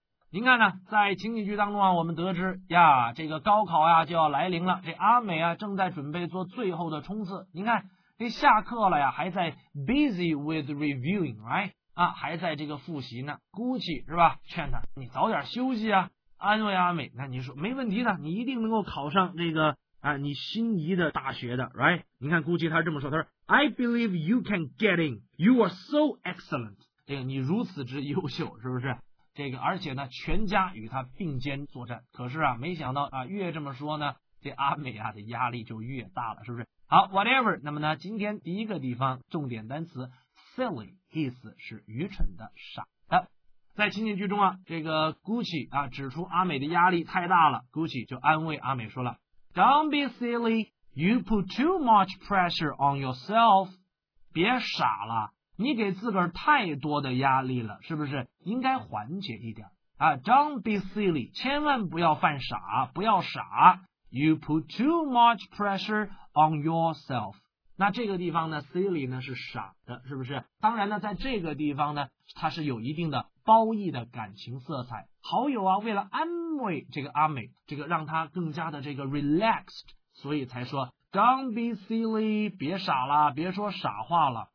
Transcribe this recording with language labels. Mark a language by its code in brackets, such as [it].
[zh] 您看呢，在情景剧当中啊，我们得知呀，这个高考啊就要来临了。这阿美啊正在准备做最后的冲刺。您看，这下课了呀，还在 [en] busy with reviewing, right? [zh] 啊，还在这个复习呢。Gucci是吧？劝他，你早点休息啊。安慰阿美，那你说没问题的，你一定能够考上这个。啊，你心仪的大学的 ，right？你看，估计他这么说，他说 ， [en] I believe you can get in. You are so excellent. [zh] 这个你如此之优秀，是不是？这个而且呢，全家与他并肩作战。可是啊，没想到啊，越这么说呢，这阿美啊的压力就越大了，是不是？好 ，whatever。那么呢，今天第一个地方重点单词 silly， 意思是愚蠢的、傻的。在情景剧中啊，这个 Gucci 啊指出阿美的压力太大了 ，Gucci 就安慰阿美说了。 [en] Don't be silly. You put too much pressure on yourself. [zh] 别傻了，你给自个儿太多的压力了，是不是？应该缓解一点啊。 [en] Don't be silly. [zh] 千万不要犯傻，不要傻。 [en] You put too much pressure on yourself. [zh] 那这个地方呢 silly 呢是傻的是不是当然呢在这个地方呢它是有一定的褒义的感情色彩。好友啊为了安慰这个阿美这个让他更加的这个 relaxed, 所以才说 [en] don't be silly, [zh] 别傻了别说傻话了。